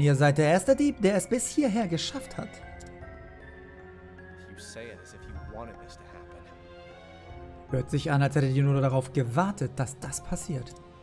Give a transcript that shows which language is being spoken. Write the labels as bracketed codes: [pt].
[de] Ihr seid der erste Dieb, der es bis hierher geschafft hat. [en] You say it as if you wanted this to happen. [de] Hört sich an, als hättet ihr nur darauf gewartet, dass das passiert.